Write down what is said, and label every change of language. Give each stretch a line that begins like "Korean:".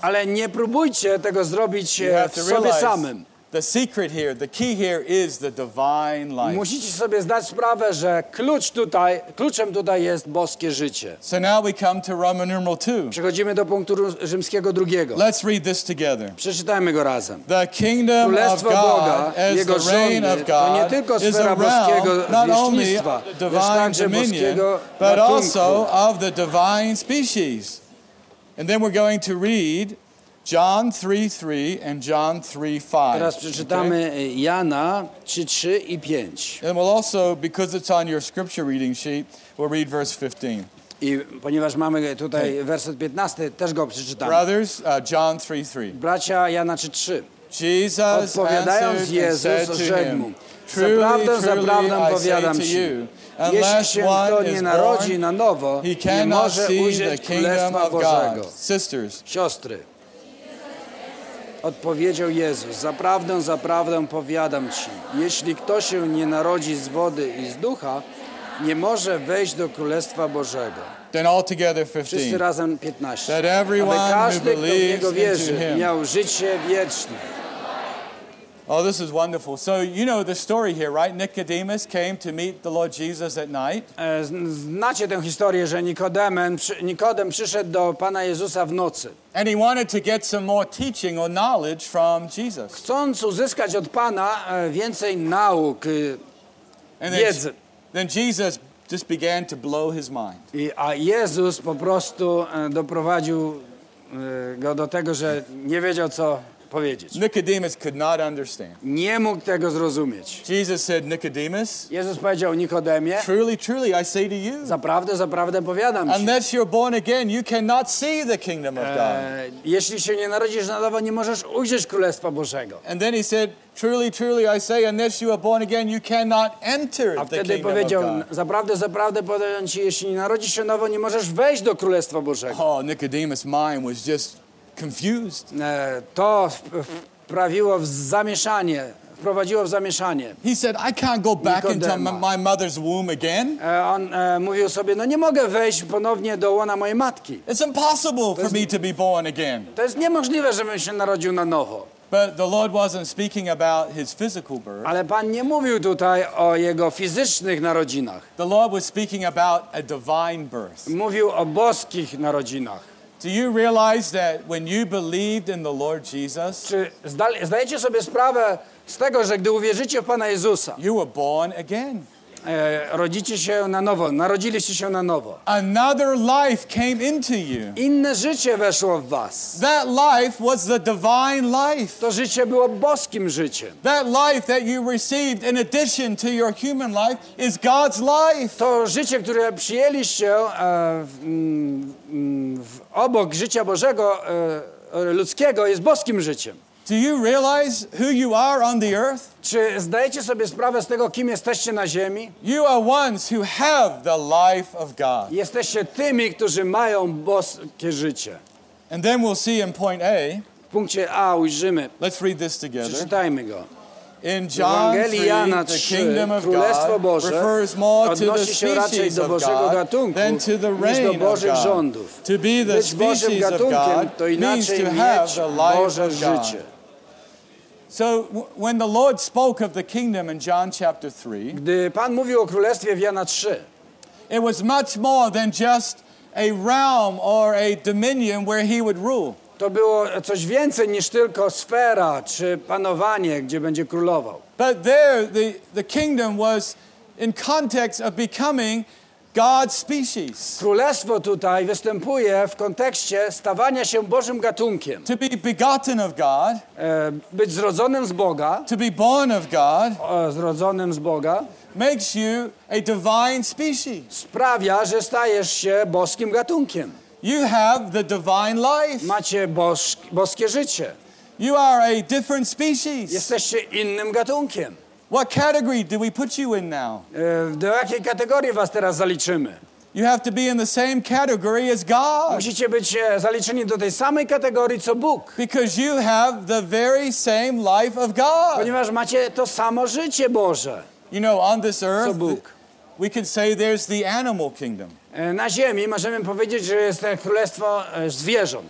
Polish: Ale nie próbujcie tego zrobić w sobie samym.
English: The secret here, the key here is the divine life.
Polish: Musicie sobie zdać sprawę, że kluczem tutaj jest boskie życie.
English: So now we come to Roman numeral 2.
Polish: Przechodzimy do punktu rzymskiego drugiego.
English: Let's read this together.
Polish: Przeczytajmy go razem.
English: The kingdom
Polish: Królestwo
English: of God
Polish: Boga,
English: as
Polish: jego
English: the reign of God,
Polish: to nie tylko sfera boskiego zwierzchnictwa, lecz także boskiego
English: but also of the divine species. And then we're going to read John 3:3 and John 3:5.
Polish: Teraz przeczytamy okay? Jana 3:3 i 5.
English: And we'll also, because it's on your scripture reading sheet, we'll read verse 15.
Polish: I ponieważ mamy tutaj okay. werset 15, też go przeczytamy.
English: Brothers, John 3:3.
Polish: Bracia Jana 3:3.
English: Jesus
Polish: odpowiadając Jezus, rzekł mu: Zaprawdę, zaprawdę powiadam ci, jeśli się kto nie narodzi na nowo, nie może ujrzeć Królestwa Bożego.
English: Sisters,
Polish: siostry. Odpowiedział Jezus, zaprawdę, zaprawdę powiadam ci, jeśli kto się nie narodzi z wody i z ducha, nie może wejść do Królestwa Bożego.
English: Then all together 15.
Polish: Wszyscy razem 15.
English: That everyone
Polish: aby każdy,
English: who believes
Polish: kto w Niego wierzy,
English: into him.
Polish: Miał życie wieczne.
English: Oh, this is wonderful. So you know the story here, right? Nicodemus came to meet the Lord Jesus at night.
Polish: Znacie tę historię, że Nikodem przyszedł do Pana Jezusa w nocy.
English: And he wanted to get some more teaching or knowledge from Jesus.
Polish: Chcąc uzyskać od Pana więcej nauk, wiedzy.
English: Then Jesus just began to blow his mind.
Polish: A Jezus po prostu doprowadził go do tego, że nie wiedział co.
English: Nicodemus could not understand.
Polish: Nie mógł tego zrozumieć.
English: Jesus said, Nicodemus.
Polish: Jezus powiedział Nikodemie.
English: Truly, truly, I say to you.
Polish: Zaprawdę, zaprawdę powiadam ci.
English: Unless you're born again, you cannot see the kingdom of God.
Polish: Jeśli się nie narodzisz na nowo, nie możesz ujrzeć Królestwa Bożego.
English: And then he said, truly, truly, I say, unless you are born again, you cannot enter the kingdom of God.
Polish: A wtedy powiedział, zaprawdę, zaprawdę powiadam ci, jeśli nie narodzisz się nowo, nie możesz wejść do Królestwa Bożego.
English: Oh, Nicodemus' mind was just confused.
Polish: To wprawiło w zamieszanie, wprowadziło w zamieszanie.
English: He said, I can't go back into my mother's womb again.
Polish: On mówił sobie, no nie mogę wejść ponownie do łona mojej matki.
English: It's impossible for me to be born again.
Polish: To jest niemożliwe, żebym się narodził na nowo.
English: But the Lord wasn't speaking about his physical birth.
Polish: Ale Pan nie mówił tutaj o jego fizycznych narodzinach.
English: The Lord was speaking about a divine birth.
Polish: Mówił o boskich narodzinach.
English: Do you realize that when you believed in the Lord Jesus?
Polish: Czy zdajecie sobie sprawę z tego, że gdy uwierzycie w Pana Jezusa?
English: You were born again.
Polish: Rodzicie się na nowo, narodziliście się na nowo.
English: Another life came into you.
Polish: Inne życie weszło w was.
English: That life was the divine life.
Polish: To życie było boskim życiem.
English: That life that you received in addition to your human life is God's life.
Polish: To życie, które przyjęliście obok życia Bożego, ludzkiego, jest boskim życiem.
English: Do you realize who you are on the earth?
Polish: Czy zdajecie sobie sprawę z tego, kim jesteście na ziemi?
English: You are ones who have the life of God.
Polish: Jesteście tymi, którzy mają boskie życie.
English: And then we'll see in point A.
Polish: W punkcie A ujrzymy.
English: Let's read this together.
Polish: Przeczytajmy go.
English: In John 3, the kingdom of God refers more to the species of God than to the reign of God. To be the species of God means to have the life of God. So when the Lord spoke of the kingdom in John chapter 3,
Polish: gdy Pan mówił o królestwie w Jana 3,
English: it was much more than just a realm or a dominion where he would rule.
Polish: To było coś więcej niż tylko sfera czy panowanie, gdzie będzie królował.
English: But there the kingdom was in context of becoming God's species.
Polish: Królestwo tutaj występuje w kontekście stawania się Bożym gatunkiem.
English: To be begotten of God.
Polish: Być zrodzonym z Boga.
English: To be born of God.
Polish: Zrodzonym z Boga.
English: Makes you a divine species.
Polish: Sprawia, że stajesz się boskim gatunkiem.
English: You have the divine life.
Polish: Macie boskie życie.
English: You are a different species.
Polish: Jesteście innym gatunkiem.
English: What category do we put you in now?
Polish: Do jakiej kategorii was teraz zaliczymy?
English: You have to be in the same category as God.
Polish: Musicie być zaliczeni do tej samej kategorii co Bóg.
English: Because you have the very same life of God.
Polish: Ponieważ macie to samo życie Boże.
English: You know, on this earth, we can say there's the animal kingdom.
Polish: Na ziemi możemy powiedzieć, że jest królestwo zwierząt.